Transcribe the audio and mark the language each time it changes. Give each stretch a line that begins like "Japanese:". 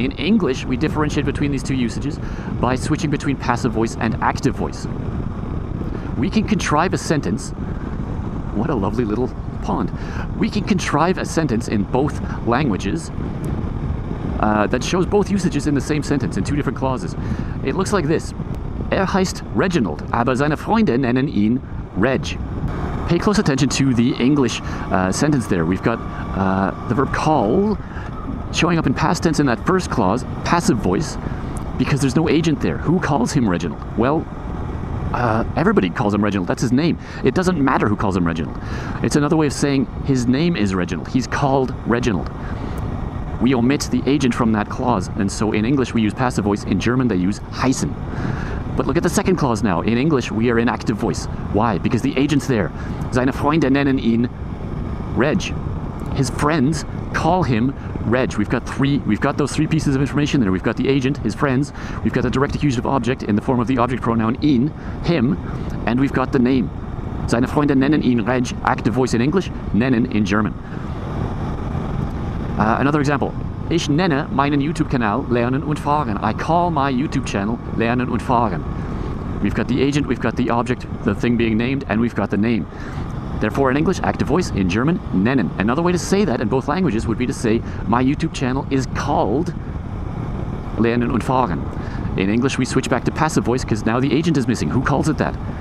English: In English, we differentiate between these two usages by switching between passive voice and active voice. We can contrive a sentence. What a lovely little pond. We can contrive a sentence in both languages that shows both usages in the same sentence in two different clauses. It looks like this.
German: Heißt Reginald, aber seine Freunde nennen ihn Reg.
English: Pay close attention to the English sentence there. We've got the verb call showing up in past tense in that first clause, passive voice, because there's no agent there. Who calls him Reginald? Well, everybody calls him Reginald. That's his name. It doesn't matter who calls him Reginald. It's another way of saying his name is Reginald. He's called Reginald. We omit the agent from that clause, and so in English we use passive voice. In German they use heißen. But look at the second clause now. In English, we are in active voice. Why? Because the agent's there.
German: Seine Freunde nennen ihn Reg.
English: His friends call him Reg. We've got those three pieces of information there. We've got the agent, his friends. We've got the direct accusative object in the form of the object pronoun ihn, him. And we've got the name.
German: Seine Freunde nennen ihn Reg.
English: Active voice in English, nennen in German. Another example.
German: Ich nenne meinen YouTube-Kanal Lernen und Fahren.
English: I call my YouTube channel Lernen und Fahren. We've got the agent, we've got the object, the thing being named, and we've got the name. Therefore, in English, active voice, in German, nennen. Another way to say that in both languages would be to say, my YouTube channel is called Lernen und Fahren. In English, we switch back to passive voice because now the agent is missing. Who calls it that?